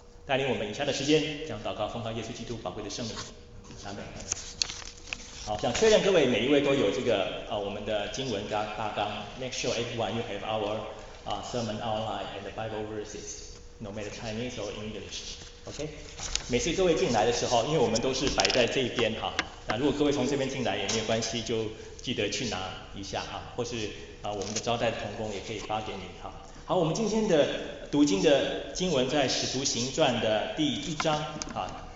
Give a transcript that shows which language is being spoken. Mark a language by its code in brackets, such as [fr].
[zh] 带领我们以下的时间将祷告奉靠耶稣基督宝贵的圣名，阿们。好，想确认各位每一位都有这个我们的经文跟大纲。 [en] Make sure everyone you have our sermon outline and the Bible verses, no matter Chinese or English. OK? [zh] 每次各位进来的时候，因为我们都是摆在这边哈，那如果各位从这边进来也没有关系，就记得去拿一下哈，或是我们的招待同工也可以发给你哈。好，我们今天的读经的经文在《使徒行传》的第一章哈。